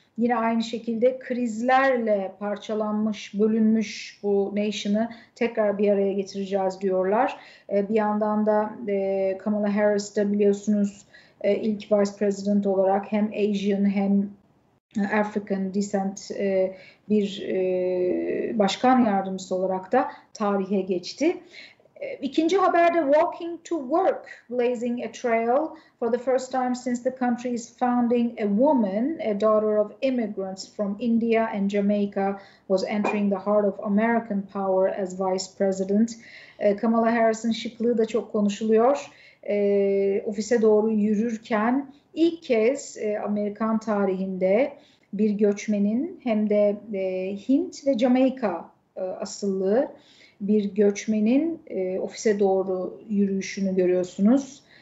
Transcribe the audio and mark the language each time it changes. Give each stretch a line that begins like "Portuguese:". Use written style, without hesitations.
Turkish: Yine aynı şekilde krizlerle parçalanmış, bölünmüş bu nation'ı tekrar bir araya getireceğiz diyorlar. Bir yandan da Kamala Harris de biliyorsunuz ilk vice president olarak hem Asian hem African descent bir başkan yardımcısı olarak da tarihe geçti.
English: İkinci haberde walking to work, blazing a trail for the first time since the country's founding, a woman, a daughter of immigrants from India and Jamaica, was entering the heart of American power as vice president.
Turkish: Kamala Harris'in şıklığı da çok konuşuluyor. Ofise doğru yürürken ilk kez Amerikan tarihinde bir göçmenin hem de Hint ve Jamaika asıllı bir göçmenin ofise doğru yürüyüşünü görüyorsunuz.